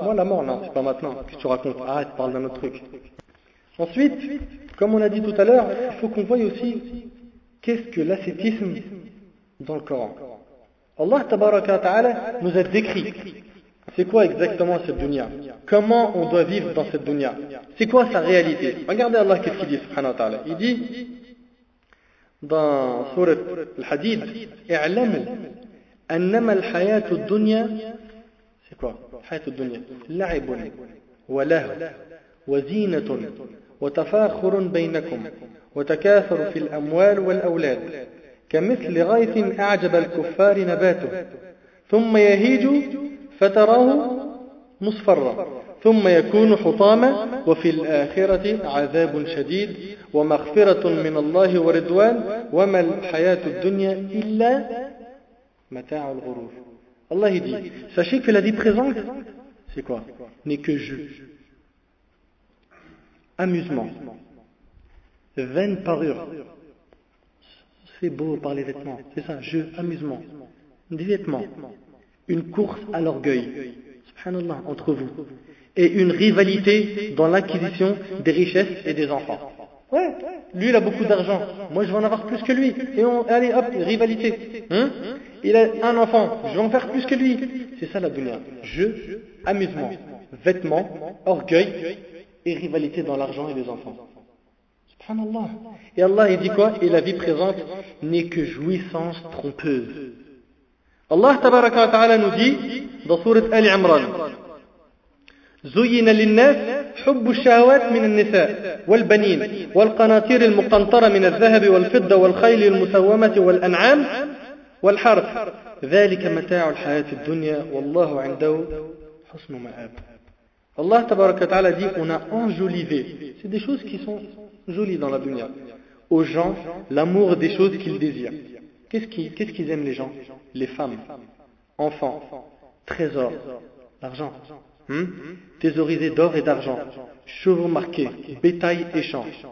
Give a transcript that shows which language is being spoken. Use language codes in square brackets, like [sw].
[fr] Moi, la mort, non, c'est pas maintenant que tu racontes. Ah, tu parles d'un autre truc. Ensuite, comme on a dit tout à l'heure, il faut qu'on voie aussi qu'est-ce que l'ascétisme dans le Coran. Allah tabaraka wa ta'ala nous a décrit c'est quoi exactement cette dunya. Comment on doit vivre dans cette dunya. C'est quoi sa réalité. Regardez Allah qu'est-ce qu'il dit subhanahu wa ta'ala. Il dit dans [ar] surat al-Hadid, i'lamu annama al-hayatu al-dunya, [fr] c'est quoi [ar] hayatu al-dunya, la'ibun wa lahw wa zinatun وتفاخر بينكم وتكاثر في الأموال والأولاد كمثل غيث أعجب الكفار نباته ثم يهيج فتراه مصفرا ثم يكون حطاما وفي الآخرة عذاب شديد ومغفرة من الله ورضوان وما الحياة الدنيا إلا متاع الغرور. الله يقول [fr] sachez que la vie présente c'est quoi, n'est que jeu, amusement, vaine parure. C'est beau par les vêtements, c'est ça, jeu, amusement, des vêtements, une course à l'orgueil, subhanallah, entre vous, et une rivalité dans l'acquisition des richesses et des enfants. Ouais, lui il a beaucoup d'argent, moi je vais en avoir plus que lui, et on, allez hop, rivalité. Il a un enfant, je vais en faire plus que lui. C'est ça la dunya, jeu, amusement, vêtements, orgueil, et rivalité dans l'argent et les enfants. Subhanallah. Et Allah, il dit quoi? Et la vie présente n'est que jouissance trompeuse. Allah, tabaraka wa ta'ala, nous dit, dans sourate Ali Imran, [ar] زين للناس حب الشهوات من النساء والبنين والقناطير المقنطرة من الذهب والفضة والخيل المسومة والأنعام والحرث، ذلك متاع الحياة الدنيا والله عنده حسن مآب. [fr] الله تبارك وتعالى dit on a enjolivé, c'est des choses qui sont jolies dans la dunya aux gens, l'amour des choses qu'ils désirent. Qu'est-ce qu'ils aiment les gens? Les femmes, enfants, trésors, l'argent. Thésaurisé d'or et d'argent, chevaux marqués, bétail et champs.